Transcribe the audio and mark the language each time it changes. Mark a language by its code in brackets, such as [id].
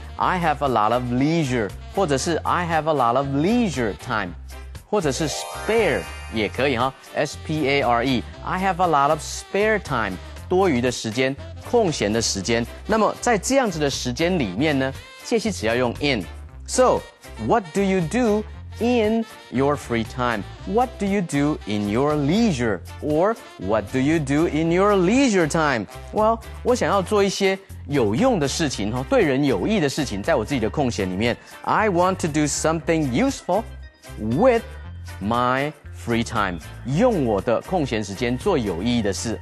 [en] I have a lot of leisure. [zh] 或者是 [en] I have a lot of leisure time. [zh] 或者是 spare 也可以哈 S-P-A-R-E. [en] I have a lot of spare time. [zh] 多余的时间，空闲的时间。那么在这样子的时间里面呢，介系词要用 in. [en] So, what do you do in your free time? What do you do in your leisure? Or, what do you do in your leisure time? [zh] Well, 我想要做一些有用的事情，对人有益的事情，在我自己的空闲里面。 [en] I want to do something useful with my free time. [zh] 用我的空闲时间做有意义的事。